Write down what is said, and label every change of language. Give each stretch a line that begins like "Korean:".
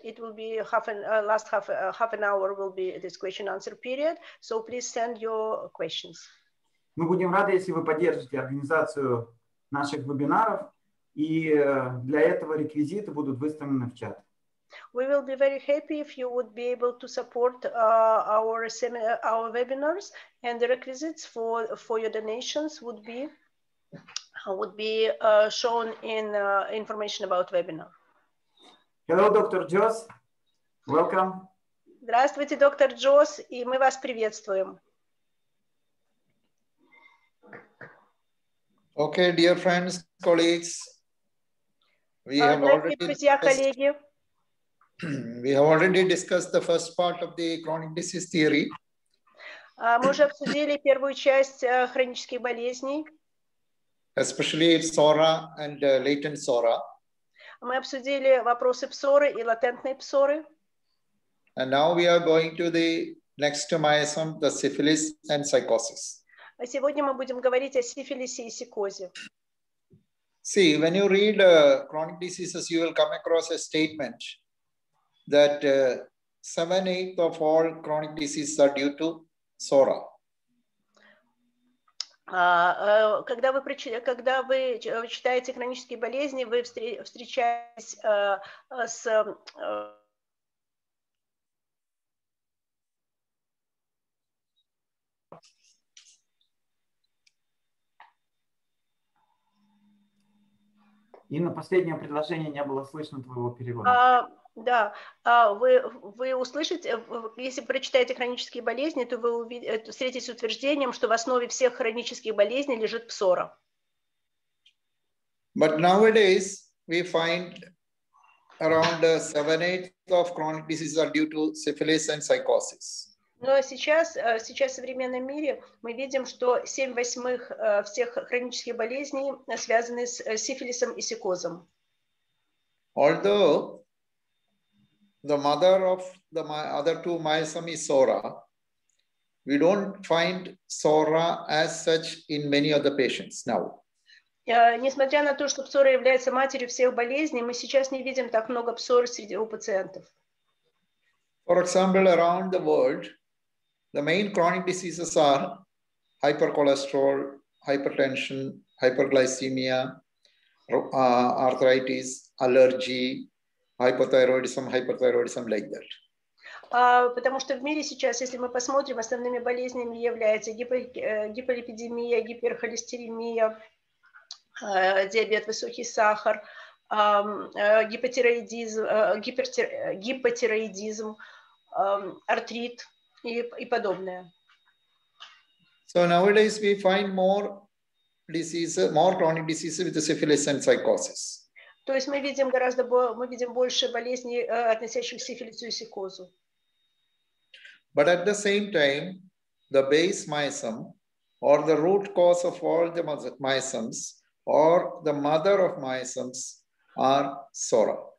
English: It will be half an hour will be this question and answer period. So please send your questions.
Russian: Мы будем рады, если вы поддержите организацию наших вебинаров, и для этого реквизиты будут выставлены в чат.
English: We will be very happy if you would be able to support our seminar, our webinars, and the requisites for your donations would be shown in information about webinar. Hello, Dr. Joss. Welcome.
Russian: Здравствуйте, доктор Джос, и мы вас приветствуем.
English: Okay, dear friends, colleagues, we have already. We have already discussed the first part of the chronic disease theory.
Russian: Мы уже обсудили первую часть хронических болезней.
English: Especially psora and latent psora.
Russian: Мы обсудили вопросы псоры и латентной псоры.
English: And now we are going to the next to miasm, the syphilis and psychosis.
Russian: А сегодня мы будем говорить о сифилисе и сикозе.
English: See, when you read chronic diseases, you will come across a statement that 7/8 of all chronic diseases are due to psora.
Russian: Когда вы читаете хронические болезни, вы встречаетесь с И на последнее предложение не было слышно твоего перевода. Да, вы услышите, если прочитаете хронические болезни, то вы встретитесь с утверждением, что в основе всех хронических болезней лежит псора.
English: But nowadays we find around 7/8 of chronic diseases are due to syphilis and psychosis.
Russian: Но сейчас в современном мире мы видим, что 7/8 всех хронических болезней связаны с сифилисом и сикозом.
English: Although the mother of the other two miasms is psora, We don't find psora as such in many other patients now.
Russian: Несмотря на то, что псора является матерью всех болезней, мы сейчас не видим так много псор среди у пациентов.
English: For example, around the world, the main chronic diseases are hypercholesterol, hypertension, hyperglycemia, arthritis, allergy, hypothyroidism, hyperthyroidism, like that.
Russian: Потому что в мире сейчас, если мы посмотрим, основными болезнями является гиполипидемия, гиперхолестеремия, диабет, высокий сахар, гипотироидизм, артрит и подобное.
English: So nowadays we find more diseases, more chronic diseases with the syphilis and psychosis.
Russian: То есть мы видим гораздо больше болезней, относящихся к сифилису и психозу.
English: But at the same time, the base miasm, or the root cause of all the miasms, or the mother of miasms, are psora.